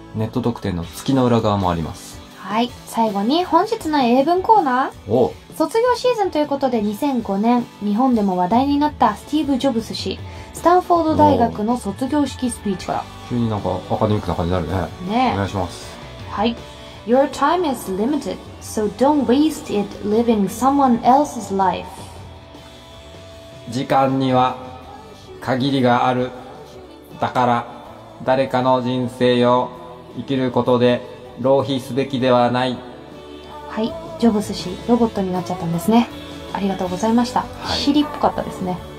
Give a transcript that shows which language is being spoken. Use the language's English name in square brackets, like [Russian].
[Japanese] ネット特典の月の裏側もあります。はい、最後に本日の英文コーナー。お、卒業シーズンということで2005年、日本でも話題になったスティーブ・ジョブス氏、スタンフォード大学の卒業式スピーチから。急になんかアカデミックな感じになるね。ねえ、お願いします。 [English] はい、Your time is limited, so don't waste it living someone else's life. [Japanese] 時間には限りがある。だから誰かの人生を生きることで浪費すべきではない。はい、ジョブス氏、ロボットになっちゃったんですね。ありがとうございました。はい、シリっぽかったですね。